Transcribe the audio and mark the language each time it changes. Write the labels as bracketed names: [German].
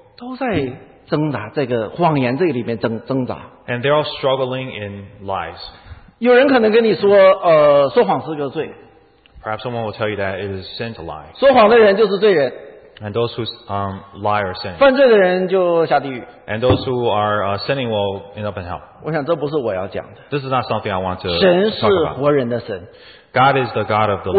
[Chinese] 都在挣扎这个谎言这里面挣扎, [English] and they're all struggling in lies. [Chinese] 有人可能跟你说, 说谎是个罪, [English] perhaps someone will tell you that it is sin to lie. [Chinese] 说谎的人就是罪人, [English] and those who lie are sinning. [Chinese] 犯罪的人就下地狱, [English] and those who are sinning will end up in hell. [Chinese] 我想这不是我要讲的, [English] this is not something I want to talk about. [Chinese] 神是活人的神, [English] God is the God of the living.